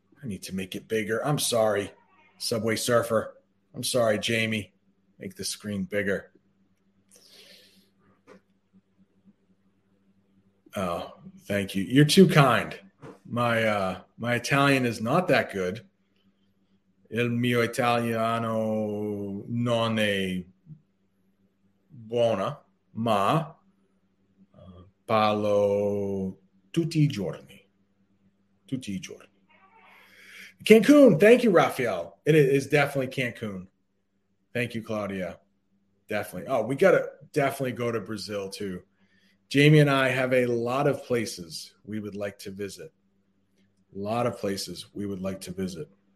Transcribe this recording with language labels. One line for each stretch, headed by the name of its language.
English: I need to make it bigger. I'm sorry, Subway Surfer. I'm sorry, Jamie. Make the screen bigger. Oh, thank you. You're too kind. My Italian is not that good.
Italian: Il mio italiano non è buona, ma parlo tutti i giorni. Tutti i giorni. Cancun.
English: Thank you,
Italian: Raphael.
English: It is definitely Cancun. Thank you, Claudia. Definitely. Oh, we got to definitely go to Brazil too. Jamie and I have a lot of places we would like to visit. A lot of places we would like to visit.